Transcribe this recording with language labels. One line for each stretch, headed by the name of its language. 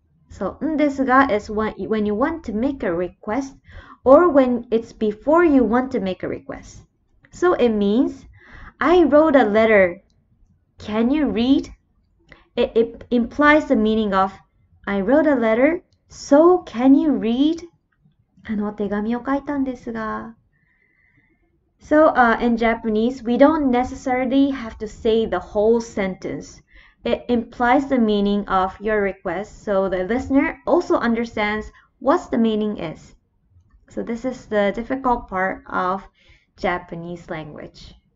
English: So んですが is when you want to make a request or when it's before you want to make a request. So it means I wrote a letter. Can you read? It implies the meaning of I wrote a letter. So can you read?
Japanese: あの手紙を書いたんですが。
English: So, in Japanese, we don't necessarily have to say the whole sentence. It implies the meaning of your request, so the listener also understands what the meaning is. So this is the difficult part of Japanese language.